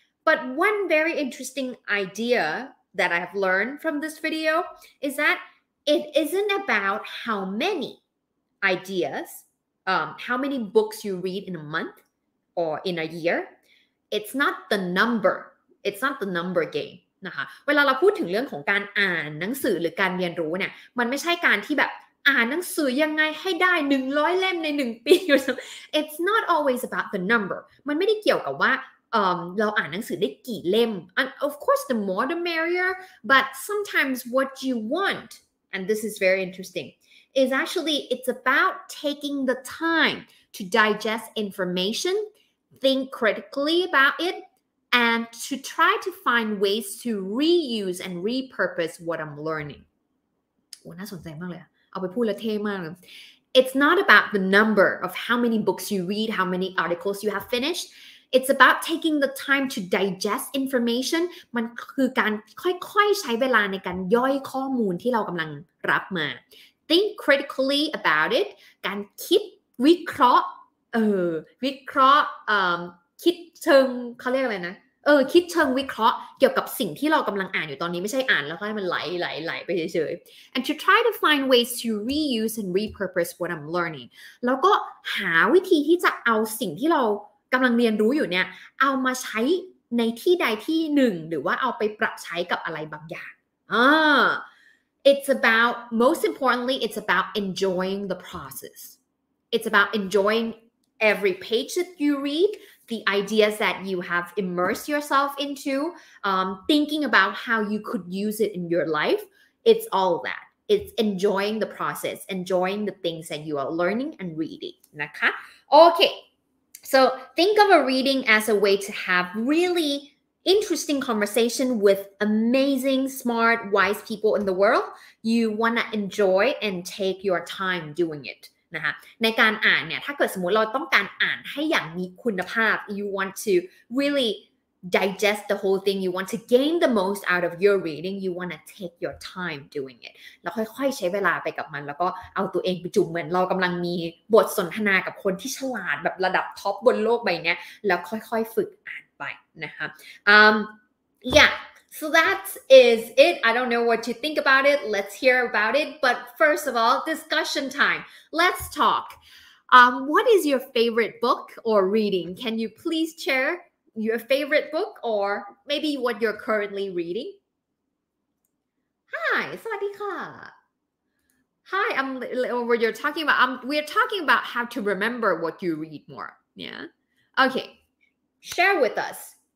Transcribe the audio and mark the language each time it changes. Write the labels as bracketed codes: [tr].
[en] But one very interesting idea that I've learned from this video is that it isn't about how many ideas, how many books you read in a month or in a year. It's not the number. It's not the number game. [th] นะคะเวลาเราพูดถึงเรื่องของการอ่านหนังสือหรือการเรียนรู้เนี่ยมันไม่ใช่การที่แบบอ่านหนังสือยังไงให้ได้100เล่มใน1ปี [en] It's not always about the number [th] มันไม่ได้เกี่ยวกับว่า เราอ่านหนังสือได้กี่เล่ม [en] and of course the more the merrier but sometimes what you want and this is very interesting is actually it's about taking the time to digest information think critically about itAnd to try to find ways to reuse and repurpose what I'm learning. [th] โอ้น่าสนใจมากเลยอ่ะเอาไปพูดแล้วเท่มากเลย [en] It's not about the number of how many books you read, how many articles you have finished. It's about taking the time to digest information. [th] มันคือการค่อยๆใช้เวลาในการย่อยข้อมูลที่เรากำลังรับมา [en] Think critically about it. [th] การคิดวิเคราะห์วิเคราะห์คิดเชิงเขาเรียกอะไรนะคิดเชิงวิเคราะห์เกี่ยวกับสิ่งที่เรากำลังอ่านอยู่ตอนนี้ไม่ใช่อ่านแล้วก็ให้มันไหลไปเฉยๆ [en] and to try to find ways to reuse and repurpose what I'm learning [th] แล้วก็หาวิธีที่จะเอาสิ่งที่เรากำลังเรียนรู้อยู่เนี่ยเอามาใช้ ในที่ใดที่หนึ่งหรือว่าเอาไปปรับใช้กับอะไรบางอย่าง [en] It's about most importantly it's about enjoying the process it's about enjoying every page that you readthe ideas that you have immersed yourself into, thinking about how you could use it in your life, it's all that. It's enjoying the process, enjoying the things that you are learning and reading. Okay? Okay, so think of a reading as a way to have really interesting conversation with amazing, smart, wise people in the world. You want to enjoy and take your time doing it. [th] นะคะในการอ่านเนี่ยถ้าเกิดสมมุติเราต้องการอ่านให้อย่างมีคุณภาพ [en] you want to really digest the whole thing you want to gain the most out of your reading you want to take your time doing it [th] แล้วค่อยๆใช้เวลาไปกับมันแล้วก็เอาตัวเองไปจุ่มเหมือนเรากำลังมีบทสนทนากับคนที่ฉลาดแบบระดับท็อปบนโลกใบนี้แล้วค่อยๆฝึกอ่านไปนะคะ [en] yeah so that is it I don't know what you think about it let's hear about it but first of all discussion time let's talk what is your favorite book or reading can you please share your favorite book or maybe what you're currently reading. Hi, [th] สวัสดีค่ะ. [en] Hi, we're talking about how to remember what you read more. Yeah. Okay. Share with us.